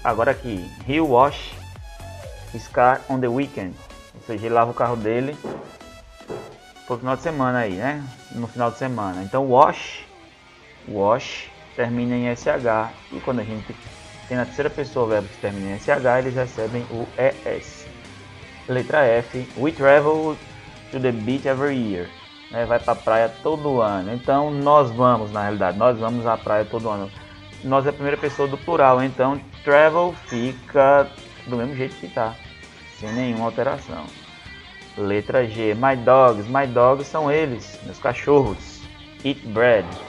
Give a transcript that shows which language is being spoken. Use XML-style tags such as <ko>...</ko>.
<pt>Agora aqui,</pt> <en>he wash his car on the weekend.</en> <pt>Ou seja, ele lava o carro dele pro final de semana aí, né? No final de semana. Então, wash, termina em SH. E quando a gente tem na terceira pessoa o verbo que termina em SH, eles recebem o ES.</pt> <en>Letra F, we travel to the beach every year.</en> <pt>Né? Vai pra praia todo ano. Então, nós vamos, na realidade, nós vamos à praia todo ano. Nós é a primeira pessoa do plural. Então, travel fica do mesmo jeito que tá. Sem nenhuma alteração. Letra G.</pt> <en>My dogs</en> <pt>são eles, meus cachorros.</pt> <en>Eat bread.</en>